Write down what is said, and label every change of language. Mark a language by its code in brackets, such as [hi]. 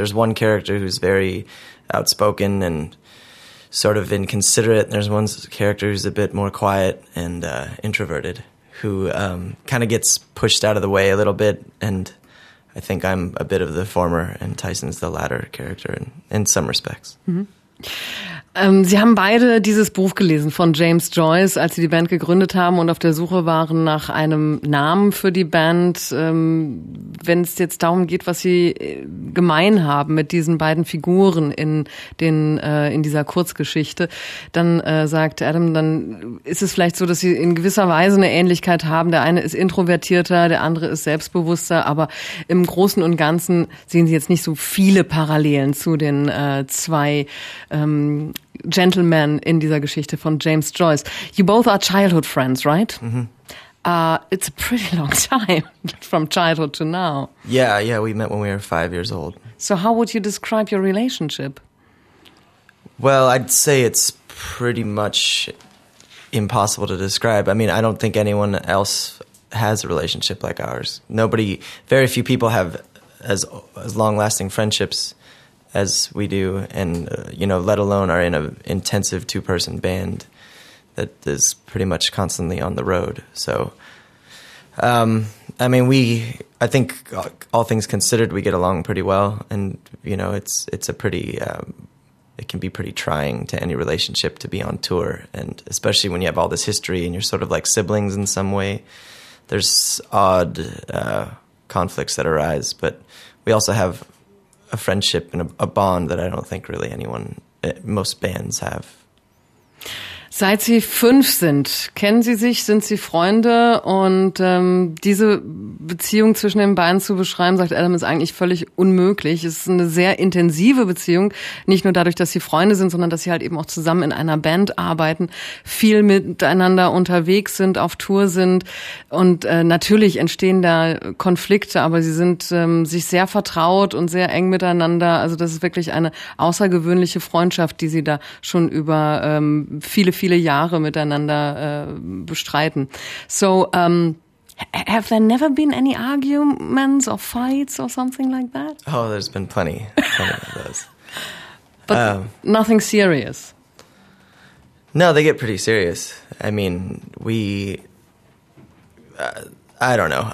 [en] There's one character who's very outspoken and sort of inconsiderate, and there's one character who's a bit more quiet and introverted, who kind of gets pushed out of the way a little bit, and I think I'm a bit of the former and Tyson's the latter character in some respects. Mm-hmm. [de] Sie haben beide dieses Buch gelesen von James Joyce, als sie die Band gegründet haben und auf der Suche waren nach einem Namen für die Band. Wenn es jetzt darum geht, was sie gemein haben mit diesen beiden Figuren in dieser Kurzgeschichte, dann sagt Adam, dann ist es vielleicht so, dass sie in gewisser Weise eine Ähnlichkeit haben. Der eine ist introvertierter, der andere ist selbstbewusster, aber im Großen und Ganzen sehen sie jetzt nicht so viele Parallelen zu den zwei Gentlemen in dieser Geschichte von James Joyce. [en] You both are childhood friends, right? Mm-hmm. It's a pretty long time from childhood to now. Yeah, we met when we were 5 years old. So how would you describe your relationship? Well, I'd say it's pretty much impossible to describe. I mean, I don't think anyone else has a relationship like ours. Nobody, very few people have as long-lasting friendships as we do, and let alone are in a intensive 2-person band that is pretty much constantly on the road. So, I think all things considered, we get along pretty well, and it's a pretty, it can be pretty trying to any relationship to be on tour, and especially when you have all this history and you're sort of like siblings in some way. There's odd conflicts that arise, but we also have a friendship and a bond that I don't think really anyone, most bands have. [de] Seit Sie 5 sind, kennen Sie sich, sind Sie Freunde, und diese Beziehung zwischen den beiden zu beschreiben, sagt Adam, ist eigentlich völlig unmöglich. Es ist eine sehr intensive Beziehung, nicht nur dadurch, dass Sie Freunde sind, sondern dass Sie halt eben auch zusammen in einer Band arbeiten, viel miteinander unterwegs sind, auf Tour sind, und natürlich entstehen da Konflikte, aber Sie sind sich sehr vertraut und sehr eng miteinander. Also das ist wirklich eine außergewöhnliche Freundschaft, die Sie da schon über viele Jahre miteinander bestreiten. [en] So, have there never been any arguments or fights or something like that? Oh, there's been plenty of those. But nothing serious? No, they get pretty serious. I mean, I don't know.